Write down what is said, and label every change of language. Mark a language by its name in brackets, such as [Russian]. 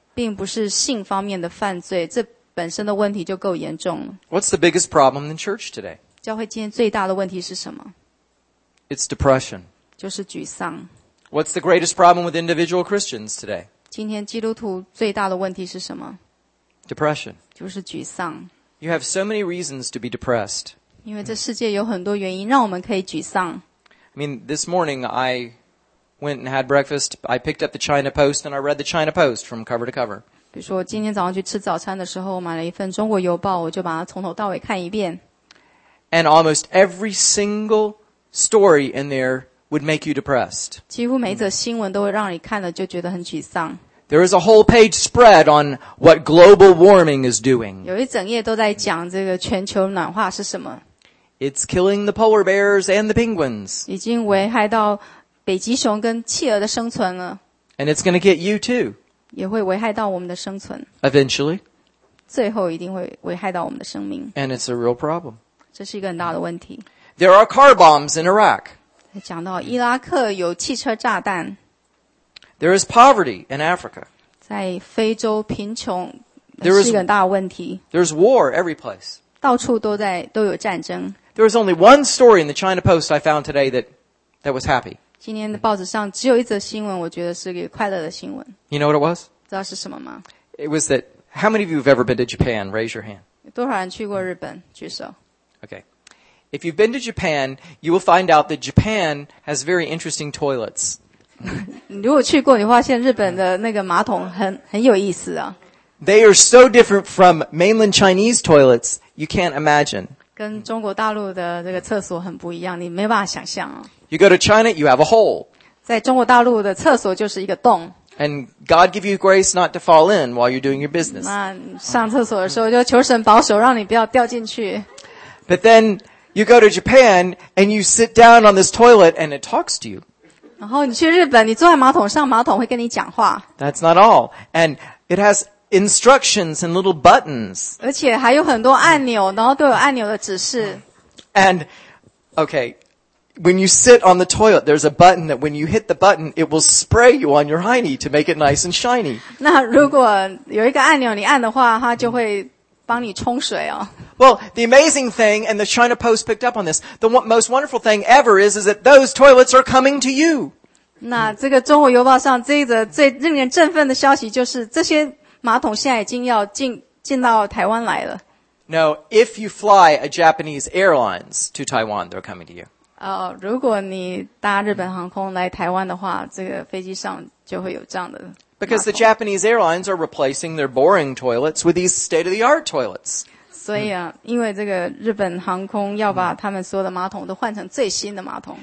[Chinese] 并不是性方面的犯罪，这本身的问题就够严重了。 [English] What's the biggest problem in church today? [Chinese] 教会今天最大的问题是什么？ [English] It's depression. [Chinese] 就是沮丧。 [English] What's the greatest problem with individual Christians today? [Chinese] 今天基督徒最大的问题是什么？ [English] Depression. [Chinese] 就是沮丧。 [English] You have so many reasons to be depressed. [Chinese] 因为这世界有很多原因让我们可以沮丧。 [English] I mean, this morning I... went and had breakfast, I picked up the China Post and I read the China Post from cover to cover. [Chinese] 比如说今天早上去吃早餐的时候我买了一份中国邮报我就把它从头到尾看一遍。 [English] And almost every single story in there would make you depressed. [Chinese] 几乎每一则新闻都会让你看了就觉得很沮丧。 [English] There is a whole page spread on what global warming is doing. [Chinese] 有一整页都在讲这个全球暖化是什么。 [English] It's killing the polar bears and the penguins. [Chinese] 已经危害到北极熊跟企鹅的生存了。 [English] And it's going to get you too. [Chinese] 也会危害到我们的生存。 [English] Eventually. [Chinese] 最后一定会危害到我们的生命。 [English] And it's a real problem. [Chinese] 这是一个很大的问题。 [English] There are car bombs in Iraq. [Chinese] 讲到伊拉克有汽车炸弹。 [English] There is poverty in Africa. [Chinese] 在非洲贫穷是一个很大的问题。 [English] There's war every place. [Chinese] 到处都有战争。 [English] There is only one story in the China Post I found today that was happy. [Chinese] 今天的报纸上只有一则新闻，我觉得是一个快乐的新闻。 [English] You know what it was? [Chinese] 知道是什么吗 [English] ？It was that. How many of you have ever been to Japan? Raise your hand. [Chinese] 多少人去过日本？举手。 [English] Okay. If you've been to Japan, you will find out that Japan has very interesting toilets. [Chinese] 如果去过，你发现日本的那个马桶很有意思啊。 [English] They are so different from mainland Chinese toilets, you can't imagine. [Chinese] 跟中国大陆的这个厕所很不一样，你没办法想象啊。 [English] You go to China, you have a hole. [Chinese] 在中国大陆的厕所就是一个洞。 [English] And God give you grace not to fall in while you're doing your business. [Chinese] 那上厕所的时候就求神保守，让你不要掉进去。 [English] But then you go to Japan and you sit down on this toilet and it talks to you. [Chinese] 然后你去日本，你坐在马桶上，马桶会跟你讲话。 [English] That's not all. And it has instructions and little buttons. [Chinese] 而且还有很多按钮，然后都有按钮的指示。 [English] And okay. When you sit on the toilet, there's a button that when you hit the button, it will spray you on your hiney to make it nice and shiny. [Chinese] 那如果有一个按钮你按的话，它就会帮你冲水哦。 [English] Well, the amazing thing, and the China Post picked up on this, the most wonderful thing ever is that those toilets are coming to you. [Chinese] 那这个中国邮报上这一则最令人振奋的消息就是这些马桶现在已经要进到台湾来了。 [English] No, if you fly a Japanese airlines to Taiwan, they're coming to you. [Chinese] 如果你搭日本航空来台湾的话，这个飞机上就会有这样的。 [English] Because the Japanese airlines are replacing their boring toilets with these state-of-the-art toilets. [Chinese] 所以啊，因为这个日本航空要把他们所有的马桶都换成最新的马桶。